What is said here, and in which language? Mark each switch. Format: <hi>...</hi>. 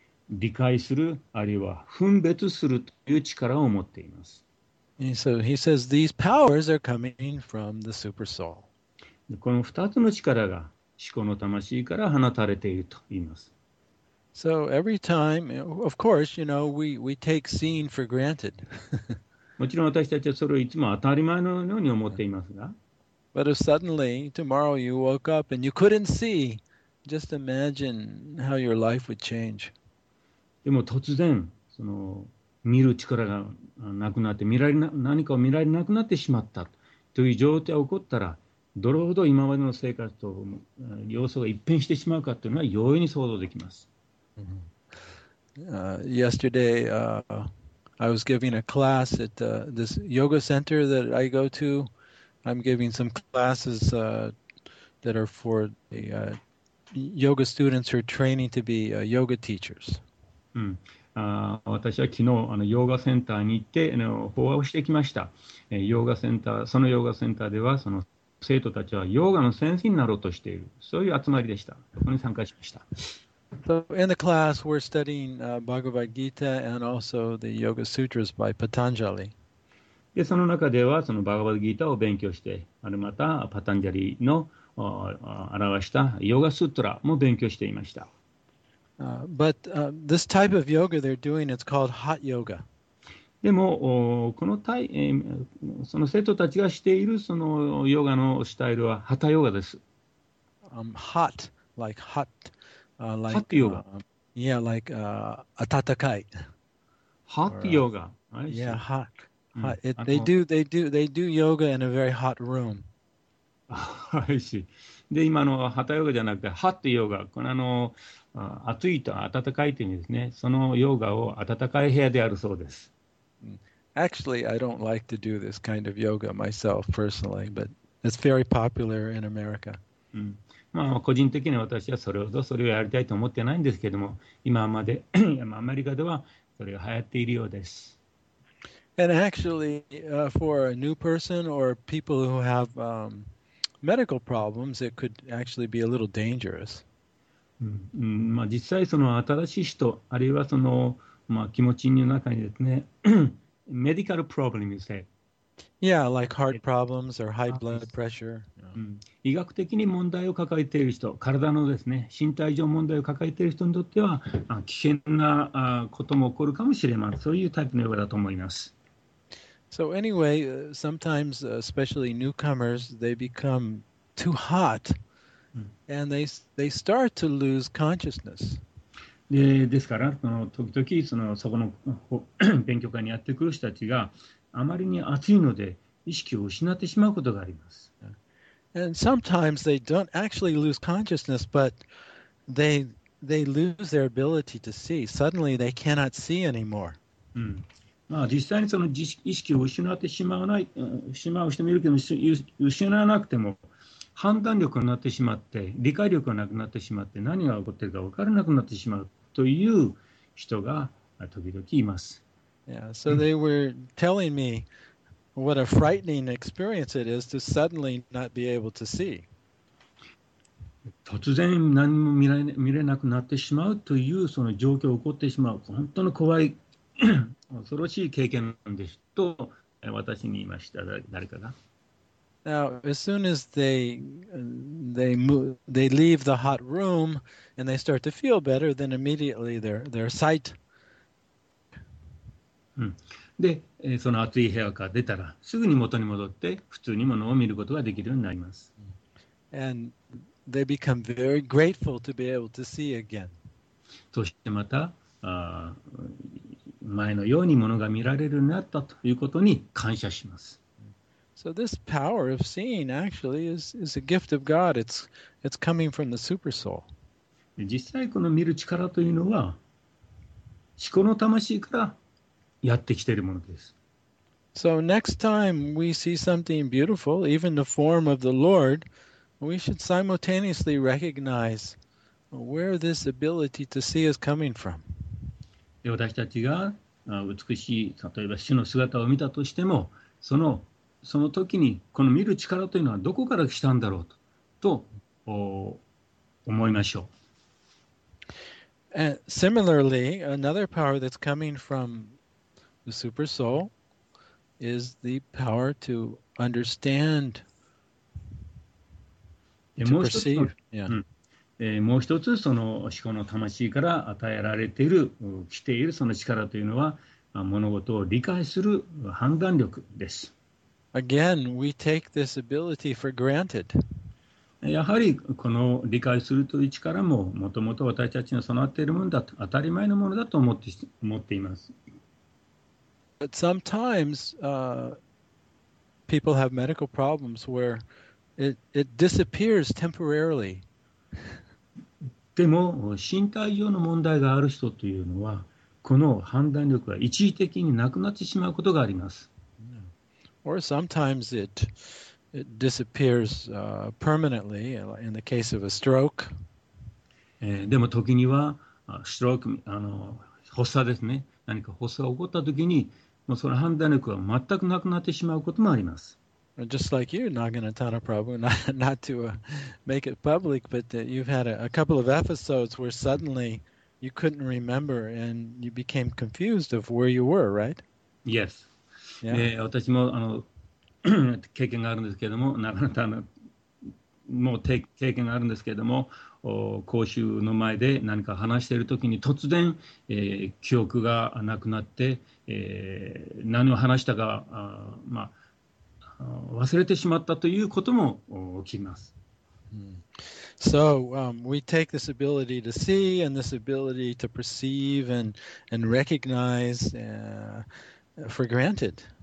<ja>理解するあるいは分別するという力を持っています。</ja> <en>And so he says these powers are coming from the super soul.</en> <ja>この二つの力が思考の魂から放たれていると言います。</ja> <en>So every time, of course, you know, we take seeing for granted.</en> <ja>もちろん私たちはそれをいつも当たり前のように思っていますが。</ja> <en>But if suddenly tomorrow you woke up and you couldn't see, just imagine how your life would change.</en> <ja>でも突然その見る力がなくなって見られな何かを見られなくなってしまったという状態が起こったら、どれほど今までの生活と様相が一変してしまうかというのは容易に想像できます。</ja> <en>Yesterday, I was giving a class at this yoga center that I go to. I'm giving some classes that are for the yoga students who are training to be yoga teachers.</en> <ja>私は昨日ヨーガセンターに行って法話をしてきました。ヨーガセンターそのヨーガセンターではその生徒たちはヨーガの先生になろうとしている、そういう集まりでした。そこに参加しました。</ja> <en>So in the class, we're studying Bhagavad Gita and also the Yoga Sutras by Patanjali.</en> <ja>で、その中ではそのバガヴァッド・ギータを勉強して、あるまたパタンジャリの表したヨガスートラも勉強していました。</ja> <en>But this type of yoga they're doing, it's called hot yoga.</en> <ja>でも、このタイ、その生徒たちがしているそのヨガのスタイルはハタヨガです。</ja> <en>Hot, like hot. Hot yoga. Yeah, like atatakai. Hot yoga. Yeah, hot. They do yoga in a very hot room. I see.</en> <ja>で、今のハタヨガじゃなくて、hot yoga。この暑いと暖かいという意味ですね。そのヨガを暖かい部屋であるそうです。</ja> <en>Actually, I don't like to do this kind of yoga myself personally, but it's very popular in America.</en> <ja>まあ個人的に私はそれをやりたいと思ってないんですけども、今までアメリカではそれが流行っているようです。</ja> <en>And actually, for a new person or people who have medical problems, it could actually be a little dangerous.</en> <ja>まあ実際その新しい人あるいはそのまあ気持ちの中にですね、</ja> <en>medical problem you say。 Yeah, like heart problems or high blood pressure.</en> <ja>医学的に問題を抱えている人、体のですね、身体上問題を抱えている人にとっては危険なことも起こるかもしれません。そういうタイプのヨガだと思います。</ja> <en>So anyway, sometimes, especially newcomers, they become too hot, and they start to lose consciousness.</en> <ja>ですから、時々そこの勉強会にやってくる人たちがあまりに暑いので意識を失ってしまうことがあります。</ja> <en>And sometimes they don't actually lose consciousness, but they lose their ability to see. Suddenly they cannot see anymore.</en> <ja>まあ実際にその意識を失ってしまう人もいるけど、失わなくても判断力になってしまって、理解力がなくなってしまって、何が起こっているか分からなくなってしまうという人が時々います。</ja> <en>Yeah, so they were telling me what a frightening experience it is to suddenly not be able to see.</en> <ja>突然何も見れなくなってしまうというその状況が起こってしまう、本当の怖い恐ろしい経験なんですと私に言いました、誰かが。</ja> <en>Now, as soon as they leave the hot room and they start to feel better, then immediately their sight.</en> <ja>で、その暑い部屋から出たらすぐに元に戻って普通にものを見ることができるようになります。 And they become very grateful to be able to see again. そしてまた前のようにものが見られるようになったということに感謝します。</ja> <en>So this power of seeing actually is a gift of God. It's coming from the super soul.</en> <ja>実際この見る力というのは思考の魂からやってきているものです。</ja> <en>So next time we see something beautiful, even the form of the Lord, we should simultaneously recognize where this ability to see is coming from.</en> <ja>私たちが美しい、例えば主の姿を見たとしても、その時にこの見る力というのはどこから来たんだろうと思いましょう。</ja> <en>And similarly, another power that's coming fromThe super soul is the power to understand to perceive. Yeah.</en> <ja>もう一つその思考の魂から与えられている来ているその力というのは物事を理解する判断力です。</ja> <en>Again, we take this ability for granted.</en> <ja>やはりこの理解するという力ももともと私たちに備わっているものだと当たり前のものだと思っています。</ja> <en>But sometimes, people have medical problems where it disappears temporarily.</en> <ja>でも身体上の問題がある人というのはこの判断力が一時的になくなってしまうことがあります。</ja> <en>Or sometimes it disappears permanently in the case of a stroke.</en> <ja>でも時にはストローク、あの発作ですね。何か発作が起こった時にもうその判断力が全くなくなってしまうこともあります。</ja> <en>Just like you, Naganatana Prabhu, not to make it public, but you've had a couple of episodes where suddenly you couldn't remember and you became confused of where you were, right? Yes. Yeah.</en> <ja>私もあの経験があるんですけども、Naganatana も経験があるんですけども、講習の前で何か話しているときに突然、記憶がなくなって、何を話したか、忘れてしまったということも起きます。</ja> <en>So, we take this ability to see and this ability to perceive and recognize, for granted.</en>